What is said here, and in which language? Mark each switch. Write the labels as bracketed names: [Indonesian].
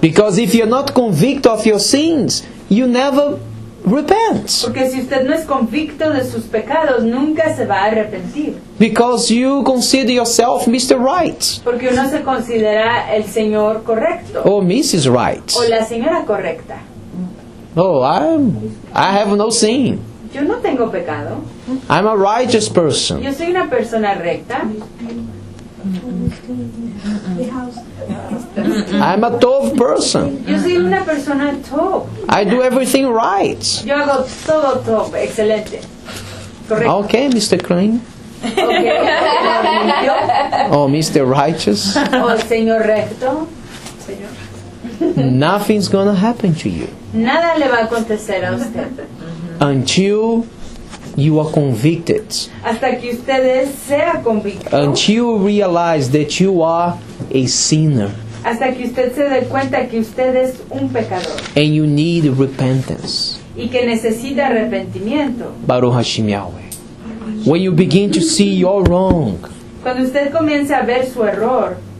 [English] Because if you're not convicted of your sins, you never repent. [Spanish] Porque si usted no es convicto de sus pecados, nunca se va a arrepentir. [English] Because you consider yourself Mr. Right. [Spanish] Porque uno se considera el señor correcto. [English] Or Mrs. Right. [Spanish] O la señora correcta. [English] I have no sin. [Spanish] Yo no tengo pecado. [English] I'm a righteous person. [Spanish] Yo soy una persona recta. [English] I'm a tov person. [Spanish] Yo soy una persona tov. [English] I do everything right. [Spanish] Yo hago todo tov, excelente. Correcto. [English] Okay, Mr. Crane. Okay. Oh, Mr. Righteous. [Spanish] Oh, señor recto. Señor. [English] Nothing's gonna happen to you. [Spanish] Nada le va a acontecer a usted. [English] Until you are convicted. [Spanish] Hasta que usted sea convicto. [English] Until you realize that you are a sinner. [Spanish] Hasta que usted se dé cuenta que usted es un pecador. [English] And you need repentance. [Spanish] Y que necesita arrepentimiento. [Hebrew] Baruch Hashem Yahweh. [English] When you begin to see your wrong. [Spanish] Cuando usted comienza a ver su error.